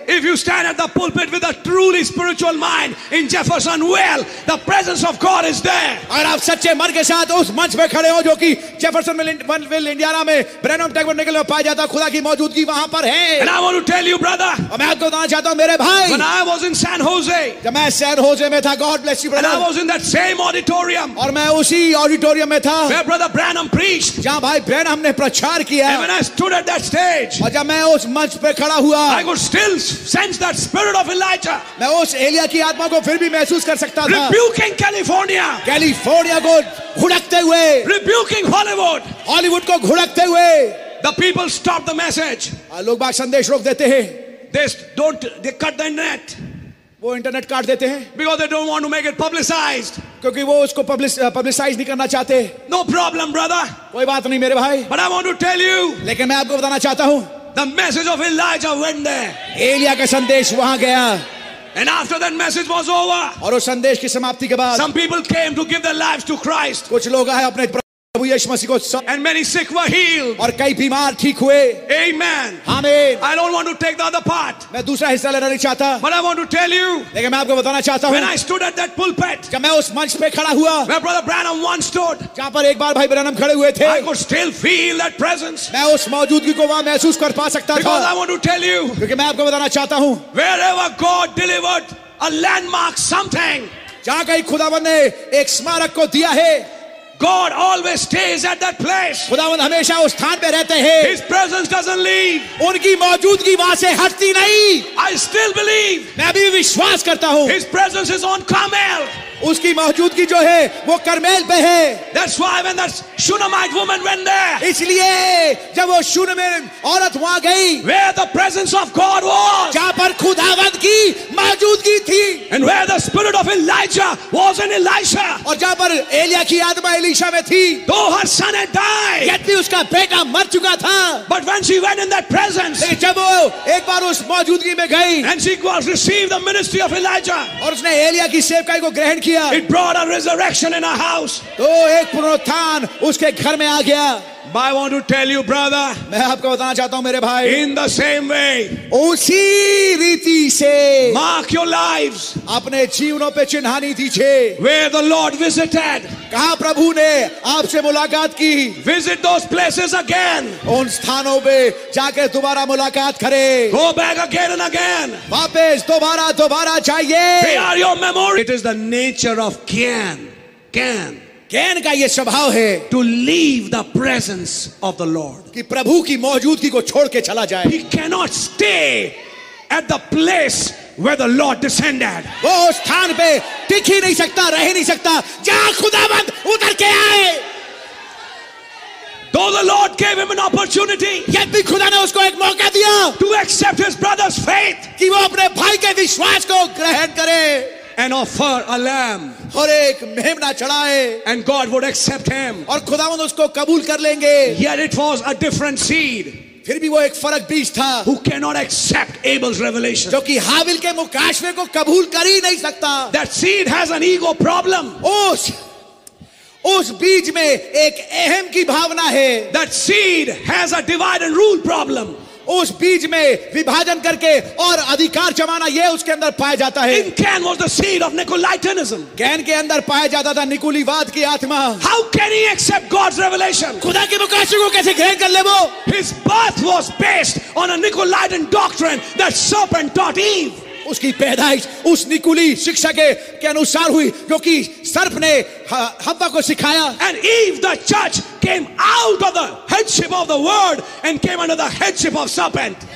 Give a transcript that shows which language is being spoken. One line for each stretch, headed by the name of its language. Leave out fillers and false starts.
English: If you stand at the pulpit with a truly spiritual mind in Jefferson Well, the presence of God is there.
Hindi: अगर आप सच्चे मन के साथ उस मंच पे खड़े हो जो कि Jefferson Well, Indiana में Branham Tagore निकले हो पाया जाता, खुदा की मौजूदगी वहाँ पर है.
English: And I want to tell you, brother.
Hindi: और मैं आपको बताना चाहता हूँ मेरे भाई.
English: When I was in San Jose,
Hindi: जब मैं San Jose में था,
English: God bless you, brother. And I was in that same auditorium.
Hindi: और मैं उसी auditorium में था.
English: Where brother Branham preached.
Hindi: जहाँ भाई Branham ने प्रचार किया.
English: And when I stood at that stage,
Hindi: और जब मैं उस मंच पे खड़ा हुआ,
English: I could still sense that spirit of Elijah.
Hindi: मैं उस एलिया की आत्मा को फिर भी महसूस कर सकता था.
English: Rebuking California.
Hindi: California को घुड़कते हुए.
English: Rebuking Hollywood.
Hindi: Hollywood को घुड़कते हुए.
English: The people stop the message.
Hindi: लोग बाग संदेश रोक देते हैं.
English: They cut the net.
Hindi: वो इंटरनेट काट देते हैं.
English: Because they don't want to make it publicized.
Hindi: क्योंकि वो उसको publicize नहीं करना चाहते.
English: No problem, brother.
Hindi: कोई बात नहीं मेरे भाई.
English: But I want to tell you.
Hindi: लेकिन मैं आपको बताना चाहता हूँ.
English: The message of Elijah went there.
Hindi: Elia का संदेश वहां गया.
English: And after that message was over,
Hindi: और उस संदेश की समाप्ति के बाद,
English: some people came to give their lives to Christ.
Hindi: कुछ लोग आए अपने प्रभु यीशु मसीह को.
English: And many sick were healed.
Hindi: और कई बीमार ठीक हुए.
English: Amen. Amen. I don't want to take the other part.
Hindi: मैं दूसरा हिस्सा लेना नहीं चाहता.
English: But I want to tell you.
Hindi: लेकिन मैं आपको बताना चाहता हूँ.
English: When I stood at that pulpit,
Hindi: जब मैं उस मंच पे खड़ा हुआ,
English: where Brother Branham once stood,
Hindi: जहाँ पर एक बार भाई ब्रैनम खड़े हुए थे,
English: I could still feel that presence.
Hindi: मैं उस मौजूदगी को वहाँ महसूस कर पा सकता था.
English: Because I want to tell you.
Hindi: क्योंकि मैं आपको बताना चाहता हूँ.
English: Wherever God delivered a landmark something,
Hindi: जहाँ कहीं खुदावन ने एक स्मारक को दिया है.
English: God always stays at that place.
Hindi: खुदावंद हमेशा उस स्थान पे रहते हैं.
English: His presence doesn't leave.
Hindi: उनकी मौजूदगी वहां से हटती नहीं.
English: I still believe.
Hindi: मैं भी विश्वास करता हूँ.
English: His presence is on Carmel.
Hindi: उसकी मौजूदगी जो है वो करमेल पे है.
English: That's why when that Shunammite woman went there.
Hindi: इसलिए जब वो शूनमित औरत वहां गई.
English: Where the presence of God was.
Hindi: जहां पर खुदावंद की मौजूदगी थी.
English: And where the spirit of Elijah was in Elisha.
Hindi: और जहां पर एलिया की आत्मा एलिशा में थी.
English: Though her son had died.
Hindi: यद्यपि उसका बेटा मर चुका था.
English: But when she went in that presence.
Hindi: जब वो एक बार उस मौजूदगी में गई.
English: And she was received the ministry of Elijah.
Hindi: और उसने एलिया की सेवकाई को ग्रहण
English: It brought a resurrection in our house.
Hindi: तो एक पुनरुत्थान उसके घर में आ गया.
English: I want to tell you, brother.
Hindi: मैं आपको बताना चाहता हूँ मेरे भाई.
English: In the same way.
Hindi: उसी रीति से.
English: Mark your lives.
Hindi: अपने जीवनों पे चिन्हानी दीजिए.
English: Where the Lord visited.
Hindi: कहाँ प्रभु ने आपसे मुलाकात की.
English: Visit those places again.
Hindi: उन स्थानों पे जाके दोबारा मुलाकात करे.
English: Go back again and again.
Hindi: वापस दोबारा दोबारा जाइए.
English: They are your memory. It is the nature of can. Can.
Hindi: Can का ये स्वभाव है
English: to leave the presence of the lord
Hindi: कि प्रभु की मौजूदगी को छोड़ के चला जाए
English: he can not stay at the place where the lord descended
Hindi: वो स्थान पे टिक ही नहीं सकता रह ही नहीं सकता जहां खुदावंद उतर के आए
English: Though the Lord gave him an opportunity,
Hindi: yet भी खुदा ने उसको एक मौका दिया
English: to accept his brother's faith,
Hindi: कि वो अपने भाई के विश्वास को ग्रहण करे
English: And offer a lamb.
Hindi: और एक मेमना चढ़ाए.
English: And God would accept him.
Hindi: और खुदावंद उसको कबूल कर लेंगे.
English: Yet it was a different seed.
Hindi: फिर भी वो एक फर्क बीज था.
English: Who cannot accept Abel's revelation?
Hindi: जो कि हाबिल के मुकाशवे को कबूल कर ही नहीं सकता.
English: That seed has an ego problem.
Hindi: उस बीज में एक अहम की भावना है.
English: That seed has a divide and rule problem.
Hindi: उस बीज में विभाजन करके और अधिकार जमाना, ये उसके अंदर पाया जाता है।
English: In Cain was the seed of Nicolaitanism.
Hindi: Can के अंदर पाया जाता था निकुलीवाद की आत्मा।
English: How can he accept God's revelation?
Hindi: खुदा के मुकाशे को कैसे ग्रहण कर ले वो?
English: His birth was based on a Nicolaitan doctrine that serpent taught Eve.
Hindi: उसकी पैदाइश उस निकुली शिक्षा के अनुसार हुई जो कि सर्प ने हव्वा को सिखाया।
English: And Eve the church came out of the headship of the word and came under the headship of serpent.